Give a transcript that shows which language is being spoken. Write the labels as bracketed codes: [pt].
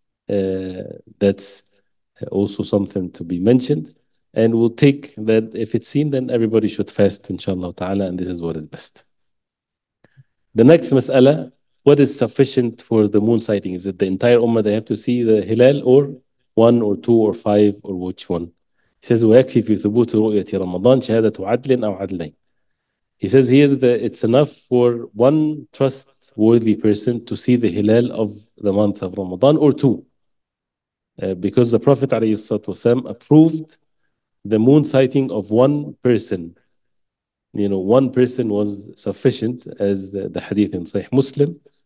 [en] That's also something to be mentioned, and we'll take that if it's seen, then everybody should fast inshallah ta'ala, and this is what is best. The next mas'ala, what is sufficient for the moon sighting? Is it the entire ummah they have to see the hilal, or one or two or five, or which one? He says, [ar] وَيَكْفِي فِي ثُبُوتُ رُؤْيَةِ رَمَضَانِ شَهَدَةُ عَدْلٍ أَوْ عَدْلَيْنِ. [en] He says here that it's enough for one trustworthy person to see the hilal of the month of Ramadan, or two. Because the Prophet ﷺ approved the moon sighting of one person. You know, one person was sufficient, as the hadith in Sahih Muslim.